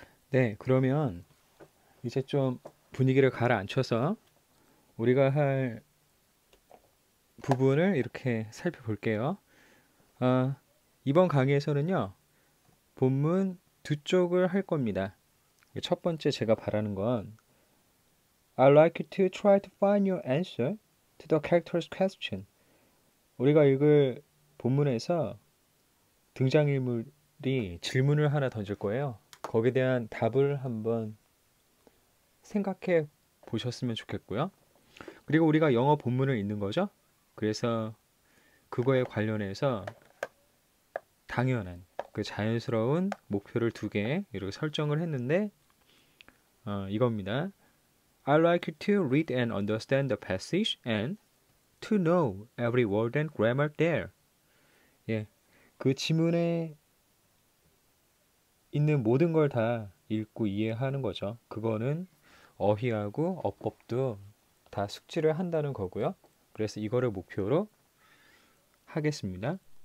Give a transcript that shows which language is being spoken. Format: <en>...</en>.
<ko>네, 그러면 이제 좀 분위기를 가라앉혀서 우리가 할 부분을 이렇게 살펴볼게요. 이번 강의에서는요, 본문 두 쪽을 할 겁니다. 첫 번째 제가 바라는 건</ko> <en>I'd like you to try to find your answer to the character's question.</en> <ko>우리가 읽을 본문에서 등장인물이 질문을 하나 던질 거예요. 거기에 대한 답을 한번 생각해 보셨으면 좋겠고요. 그리고 우리가 영어 본문을 읽는 거죠. 그래서 그거에 관련해서 당연한 그 자연스러운 목표를 두 개 이렇게 설정을 했는데 이겁니다.</ko> <en>I'd like you to read and understand the passage and to know every word and grammar there.</en> <ko>예, 그 지문에 있는 모든 걸 다 읽고 이해하는 거죠. 그거는 어휘하고 어법도 다 숙지를 한다는 거고요. 그래서 이거를 목표로 하겠습니다.</ko>